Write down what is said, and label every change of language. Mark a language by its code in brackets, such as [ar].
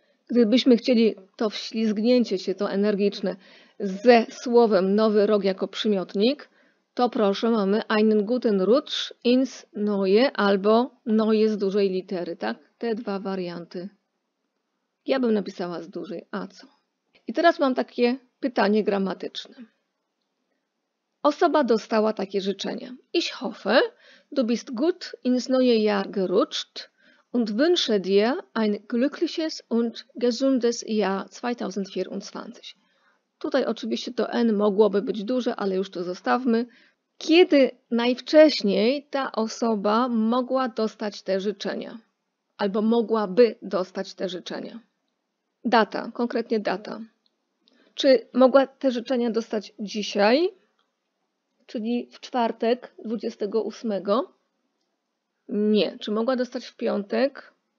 [pl] Gdybyśmy chcieli to wślizgnięcie się, to energiczne, ze słowem nowy rok jako przymiotnik, to proszę, mamy [de] einen guten Rutsch ins neue [pl] albo neue z dużej litery, tak? Te dwa warianty. Ja bym napisała z dużej, a co? I teraz mam takie pytanie gramatyczne. Osoba dostała takie życzenie. [de] Ich hoffe, du bist gut ins neue Jahr gerutscht und wünsche dir ein glückliches und gesundes Jahr 2024. [pl] Tutaj oczywiście to N mogłoby być duże, ale już to zostawmy. Kiedy najwcześniej ta osoba mogła dostać te życzenia? Albo mogłaby dostać te życzenia? Data, konkretnie data. Czy mogła te życzenia dostać dzisiaj? Czyli w czwartek 28? Nie. Czy mogła dostać w piątek?